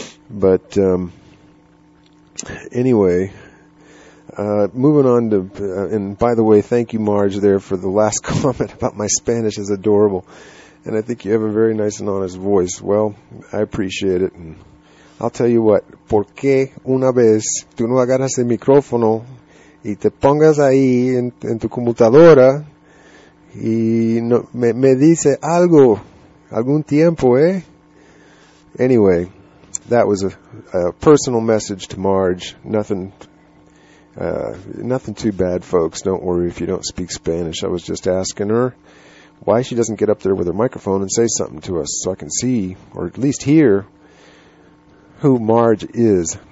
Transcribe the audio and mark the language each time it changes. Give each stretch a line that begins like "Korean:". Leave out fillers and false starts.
English: But anyway, moving on to, and by the way, thank you, Marge, there for the last comment about my Spanish is adorable. And I think you have a very nice and honest voice. Well, I appreciate it. And I'll tell you what.
Spanish: ¿Por qué una vez tú no agarras el micrófono y te pongas ahí en tu computadora y no, me dice algo algún tiempo, eh?
English: Anyway, that was a personal message to Marge. Nothing too bad, folks. Don't worry if you don't speak Spanish. I was just asking her why she doesn't get up there with her microphone and say something to us so I can see, or at least hear, who Marge is.